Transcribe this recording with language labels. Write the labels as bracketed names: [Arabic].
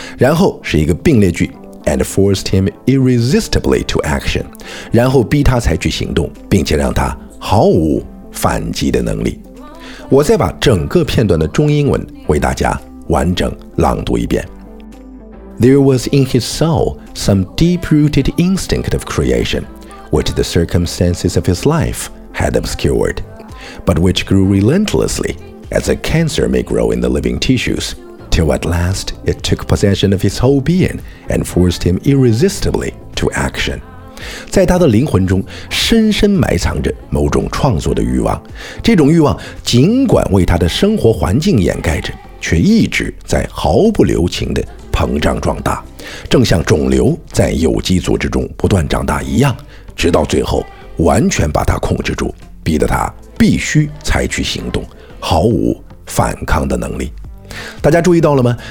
[Chinese] 然后是一个并列句 [English] and forced him irresistibly to action, [Chinese] 然后逼他采取行动，并且让他毫无反击的能力。我再把整个片段的中英文为大家完整朗读一遍。 [English] There was in his soul some deep-rooted instinct of creation, which the circumstances of his life had obscured, but which grew relentlessly, as a cancer may grow in the living tissues, till at last it took possession of his whole being and forced him irresistibly to action. [Chinese] 在他的灵魂中深深埋藏着某种创作的欲望，这种欲望尽管为他的生活环境掩盖着，却一直在毫不留情地膨胀壮大，正像肿瘤在有机组织中不断长大一样，直到最后完全把他控制住，逼得他必须采取行动，毫无反抗的能力。大家注意到了吗？